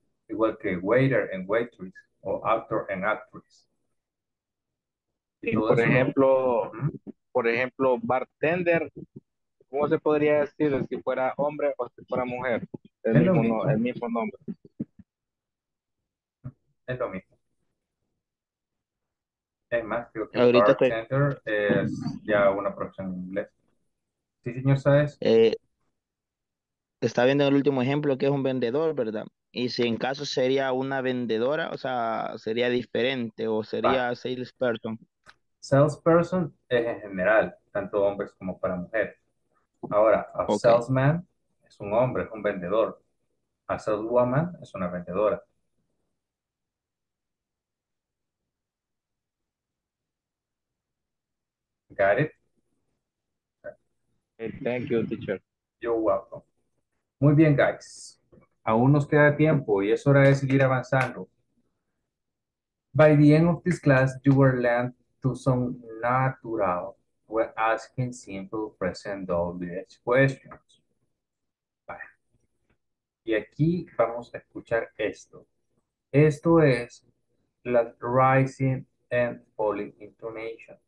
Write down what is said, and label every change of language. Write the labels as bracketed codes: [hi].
[es] Igual que [en] waiter and waitress, [es] o [en] actor and actress. [es] Y por ejemplo, bartender, ¿cómo se podría decir si fuera hombre o si fuera mujer? El mismo nombre. Es lo mismo. Es más, creo que ahorita bartender es ya una profesión en inglés. ¿Sí, señor Sáez? Está viendo el último ejemplo, que es un vendedor, ¿verdad? Y si en caso sería una vendedora, o sea, sería diferente, o sería salesperson. Salesperson es en general, tanto hombres como para mujeres. Ahora, salesman es un hombre, es un vendedor. A saleswoman es una vendedora. [en] Got it? Hey, thank you, teacher. You're welcome. [es] Muy bien, [en] guys. [es] Aún nos queda tiempo y es hora de seguir avanzando. [en] By the end of this class, you will learn to sound natural when asking simple present WH questions. [es] Vale. Y aquí vamos a escuchar esto. Esto es la [en] rising and falling intonation.